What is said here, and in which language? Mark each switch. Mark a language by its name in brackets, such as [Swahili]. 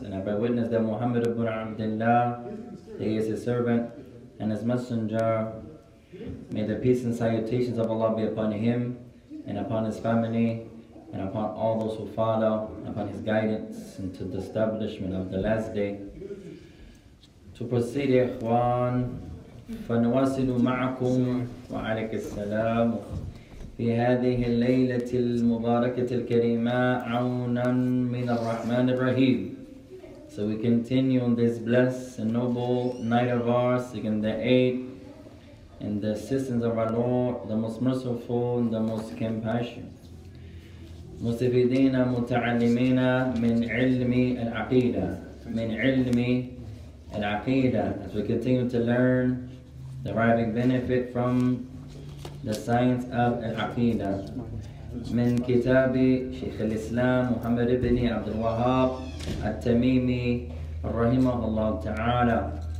[English] And I bear witness that Muhammad ibn Abdullah, he is his servant and his messenger. May the peace and salutations of Allah be upon him and upon his family and upon all those who follow, upon his guidance into the establishment of the last day. To proceed, [Arabic] ikhwan, فنواصل معكم وعليك السلام في هذه الليلة المباركة الكريمة عونا من الرحمن الرحيم. [English] So we continue on this blessed and noble night of ours, seeking the aid and the assistance of our Lord, the most merciful and the most compassionate. [Arabic] مستفيدين متعلمين من علم العقيدة من علم العقيدة. [English] As we continue to learn, deriving benefit from the science of al-aqidah. [Arabic] من كتاب شيخ الإسلام محمد بن عبد الوهاب التميمي رحمه الله تعالى.